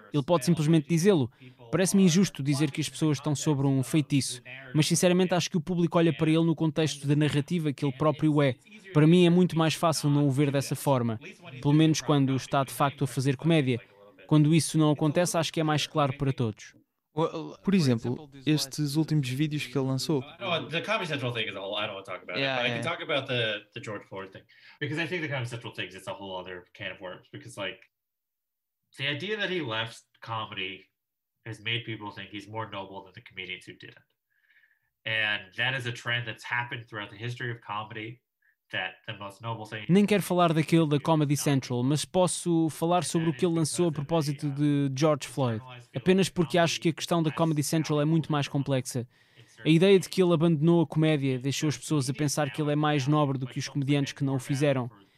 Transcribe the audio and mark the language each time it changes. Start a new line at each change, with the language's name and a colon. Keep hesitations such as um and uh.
Portuguese: Ele pode simplesmente dizê-lo. Parece-me injusto dizer que as pessoas estão sobre um feitiço, mas sinceramente acho que o público olha para ele no contexto da narrativa que ele próprio é. Para mim é muito mais fácil não o ver dessa forma, pelo menos quando está de facto a fazer comédia. Quando isso não acontece, acho que é mais claro para todos. Por exemplo, estes últimos vídeos que ele lançou,
English: I Oh, the Comedy Central thing is a whole. I don't want to talk about Yeah, it, but I yeah. can talk about the the George Floyd thing. because I think the Comedy Central things it's a whole other can of worms. Because like the idea that he left comedy has made people think he's more noble than the comedians who didn't, and that is a trend that's happened throughout the history of comedy. That the most noble thing.
Portuguese: Nem quero falar daquele da Comedy Central, mas posso falar sobre o que ele lançou a propósito de George Floyd, apenas porque acho que a questão da Comedy Central é muito mais complexa. A ideia de que ele abandonou a comédia deixou as pessoas a pensar que ele é mais nobre do que os comediantes que não o fizeram.